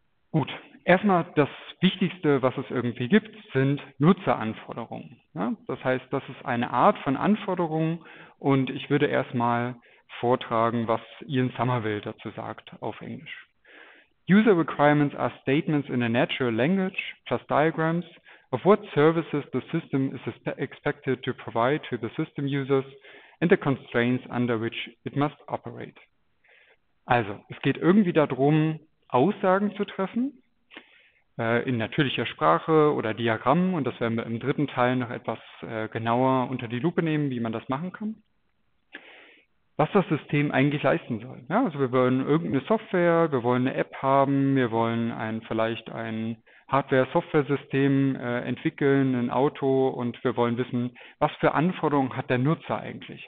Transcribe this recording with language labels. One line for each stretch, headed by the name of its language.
German: Gut. Erstmal das Wichtigste, was es irgendwie gibt, sind Nutzeranforderungen. Ja, das heißt, das ist eine Art von Anforderungen und ich würde erstmal vortragen, was Ian Somerville dazu sagt auf Englisch.
English: User requirements are statements in a natural language, plus diagrams, of what services the system is expected to provide to the system users and the constraints under which it must operate.
German: Also, es geht irgendwie darum, Aussagen zu treffen in natürlicher Sprache oder Diagrammen. Und das werden wir im dritten Teil noch etwas genauer unter die Lupe nehmen, wie man das machen kann. Was das System eigentlich leisten soll. Ja, also wir wollen irgendeine Software, wir wollen eine App haben, wir wollen vielleicht ein Hardware-Software-System entwickeln, ein Auto und wir wollen wissen, was für Anforderungen hat der Nutzer eigentlich.